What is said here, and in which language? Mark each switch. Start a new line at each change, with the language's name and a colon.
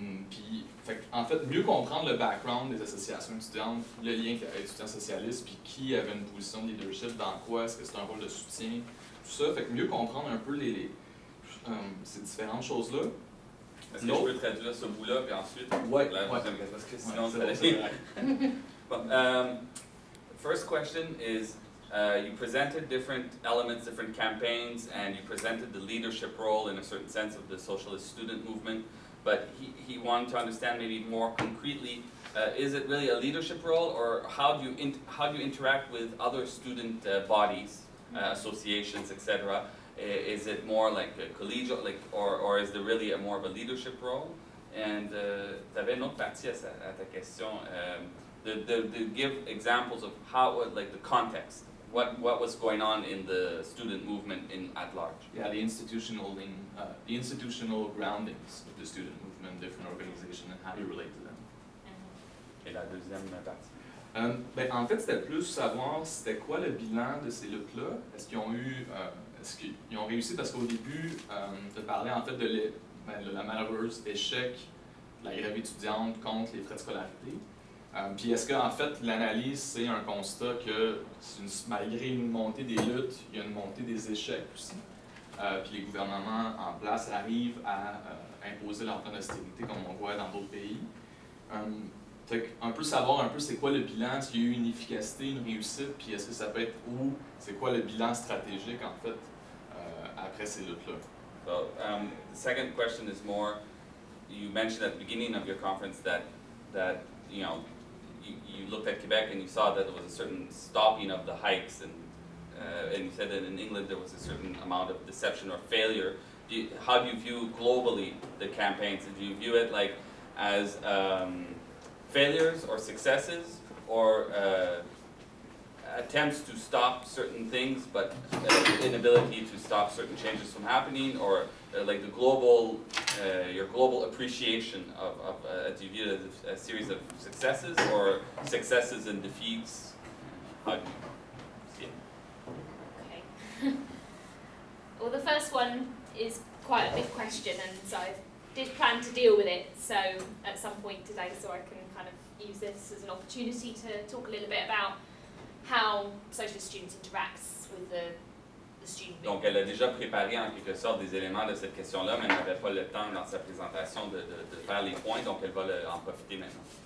French: Puis, en fait, mieux comprendre le background des associations étudiantes, le lien avec l'étudiant socialiste, puis qui avait une position de leadership, dans quoi, est-ce que c'est un rôle de soutien, tout ça. Fait que mieux comprendre un peu ces différentes choses-là. Est-ce que je peux traduire ce bout-là, puis ensuite, ouais, la ouais. deuxième question, parce que sinon, ouais, c'est bon.
English: Ça first question is, you presented different elements, different campaigns, and you presented the leadership role in a certain sense of the socialist student movement. But he wanted to understand maybe more concretely, is it really a leadership role, or how do you interact with other student bodies, associations, etc.? Is it more like a collegial, or is there really a more of a leadership role? And
French: tu avais une autre partie à ta question,
English: the give examples of how like the context, what was going on in the student movement in at large? Yeah, the institutional groundings of the student movement. Different organizations and how you relate to them.
French: Et la deuxième partie? En fait, c'était plus savoir c'était quoi le bilan de ces luttes-là. Est-ce qu'ils ont eu, est-ce qu'ils ont réussi? Parce qu'au début, tu parlais en fait de la malheureuse échec de la grève étudiante contre les frais de scolarité. Puis est-ce qu'en fait, l'analyse, c'est un constat que c'est malgré une montée des luttes, il y a une montée des échecs aussi? Puis les gouvernements en place arrivent à imposer leur plan d'austérité comme on voit dans d'autres pays. Un peu savoir un peu c'est quoi le bilan, s'il y a eu une efficacité, une réussite, puis est-ce que ça peut être où, c'est quoi le bilan stratégique en fait après ces luttes-là.
English: So, the second question is more, you mentioned at the beginning of your conference that you know, you looked at Quebec and you saw that there was a certain stopping of the hikes and you said that in England there was a certain amount of deception or failure. How do you view globally the campaigns? Do you view it like as failures or successes or attempts to stop certain things but inability to stop certain changes from happening, or like the global, your global appreciation of do you view it as a series of successes or successes and defeats? How do you see it? Okay. Well, the first one is quite a big question, and so I did plan to deal with it so at some point today, so I can kind of use this as an opportunity to talk a little bit about how socialist students interacts with the student.
French: Donc elle a déjà préparé en quelque sorte des éléments de cette question-là, mais elle n'avait pas le temps dans sa présentation de faire les points, donc elle va en profiter maintenant.